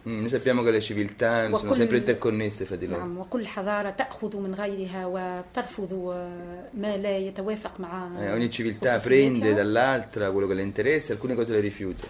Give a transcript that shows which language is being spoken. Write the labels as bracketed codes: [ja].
[it] Sappiamo che le civiltà sono sempre interconnesse fra di loro. [ar] وكل حضارة تأخذ من غيرها وترفض ما لا يتوافق مع. [it] Ogni civiltà prende dall'altra quello che le interessa, alcune cose le rifiuta.